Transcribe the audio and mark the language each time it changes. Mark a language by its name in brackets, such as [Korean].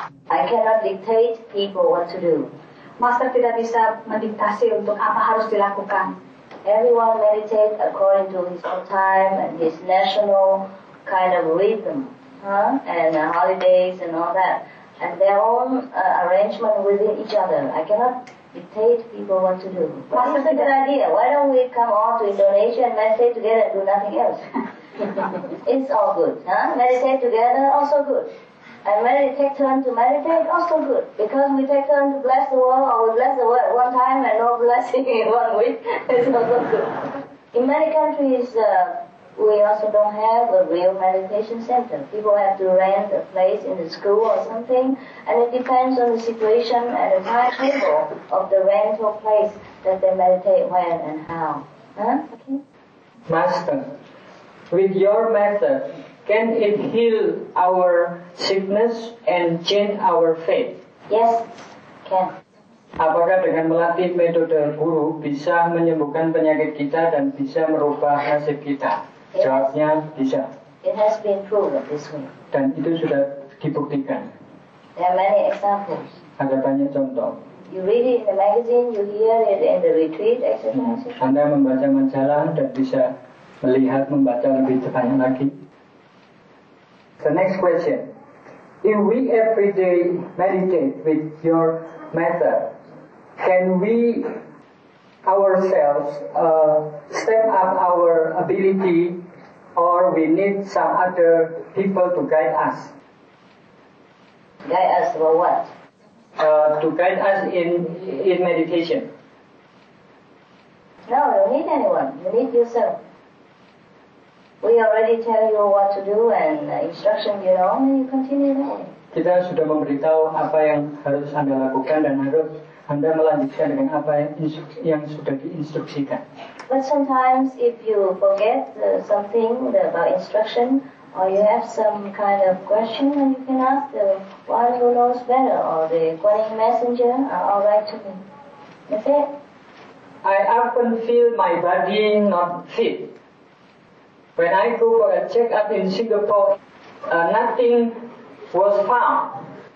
[English] I cannot dictate people what to do. [Indonesian] Master tidak bisa mendiktasi untuk apa harus dilakukan. [English] Everyone meditate according to his own time and his national kind of rhythm, and holidays and all that, and their own arrangement within each other. I cannot dictate people what to do. That's a good idea. Why don't we come all to Indonesia and meditate together and do nothing else? It's all good. Huh? Meditate together, also good. And when we take turn to meditate, also good. Because we take turn to bless the world, or we bless the world one time and no blessing in one week, it's also good. In many countries, we also don't have a real meditation center. People have to rent a place in the school or something, and it depends on the situation and the timetable of the rental place that they meditate when and how. Huh? Okay. Master, with your method, can it heal our sickness and change our faith? Yes, can. [Indonesian] Apakah dengan melatih metode guru bisa menyembuhkan penyakit kita dan bisa merubah nasib kita? [English] Yes. [Indonesian] Jawabnya bisa. [English] It has been proven this way. [Indonesian] Dan itu sudah dibuktikan. [English] There are many examples. [Indonesian] Ada banyak contoh. [English] You read it in the magazine, you hear it in the retreat exercise. [Indonesian] Anda membaca majalah dan bisa melihat, membaca lebih banyak lagi. [English] The next question, if we every day meditate with your method, can we ourselves step up our ability, or we need some other people to guide us? Guide us for what? To guide us in meditation. No, you don't need anyone, you need yourself. We already tell you what to do and instruction you know, and you continue that. [Indonesian] Kita sudah memberitahu apa yang harus Anda lakukan dan harus Anda melanjutkan dengan apa yang sudah diinstruksikan. [English] But sometimes if you forget something about instruction, or you have some kind of question, then you can ask the one who knows better, or the Guanyin messenger, or I'll write to me. That's it. I often feel my body not fit. When I go for a check-up in Singapore, nothing was found.